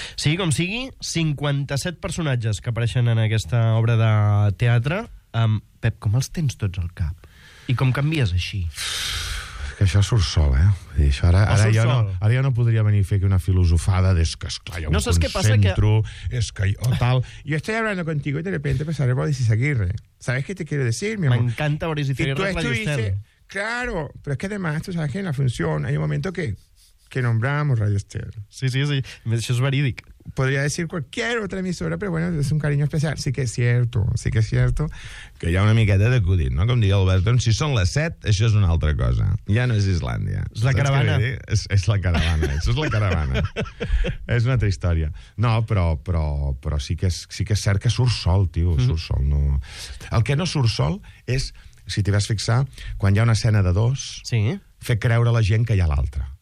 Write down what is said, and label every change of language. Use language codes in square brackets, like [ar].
[ca] Sí, com sigui, 57 personatges que apareixen en aquesta obra de teatre. Pep, com els tens tots al cap? I com canvies així? Que això surt sol, eh? Vull dir, això ara jo no podria venir a fer aquí una filosofada des que, esclar, jo no, em concentro, que... és que jo tal... [es] Jo estoy hablando contigo y de repente pasaré por Boris Izaguirre. ¿Sabes qué te quiero decir, mi amor? [ca] M'encanta Boris Izaguirre, Radio Estel. [es] Claro, pero es que además, tú sabes que en la función hay un momento que nombramos Radio Estel. Sí, eso es verídico. Podría decir cualquier otra emisora, pero bueno, es un cariño especial. Sí que es cierto. [ca] Que hi ha una miqueta d'acudit, no? Com digui Albert, si són les 7, això és una altra cosa. Ja no és Islàndia. És la caravana. És la caravana, això és la caravana. És una altra història. No, però sí que és cert que surt sol, tio, surt sol. No. El que no surt sol és... Si t'hi vas fixar, quan hi ha una escena de dos, fer creure a la gent que hi ha l'altra.